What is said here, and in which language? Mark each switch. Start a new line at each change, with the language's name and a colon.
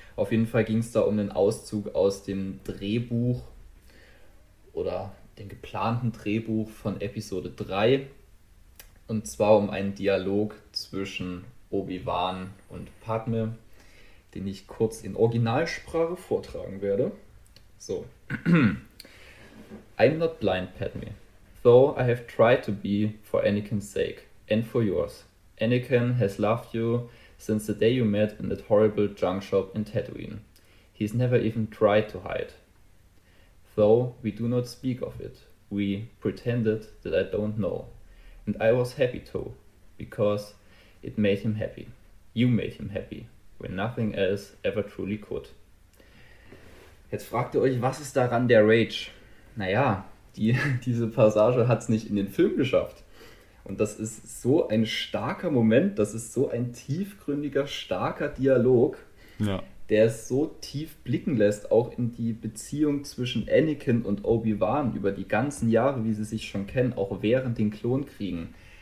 German: Auf jeden Fall ging es da um den Auszug aus dem Drehbuch oder dem geplanten Drehbuch von Episode 3. Und zwar um einen Dialog zwischen Obi-Wan und Padme, den ich kurz in Originalsprache vortragen werde.
English: So. I'm not blind, Padme. Though I have tried to be for Anakin's sake and for yours. Anakin has loved you since the day you met in that horrible junk shop in Tatooine. He's never even tried to hide. Though we do not speak of it, we pretended that I don't know. And I was happy too, because it made him happy. You made him happy, when nothing else ever truly could.
German: Jetzt fragt ihr euch, was ist daran der Rage? Naja, diese Passage hat es nicht in den Film geschafft. Und das ist so ein starker Moment, das ist so ein tiefgründiger, starker Dialog, ja, der es so tief blicken lässt, auch in die Beziehung zwischen Anakin und Obi-Wan über die ganzen Jahre, wie sie sich schon kennen, auch während den Klonkriegen.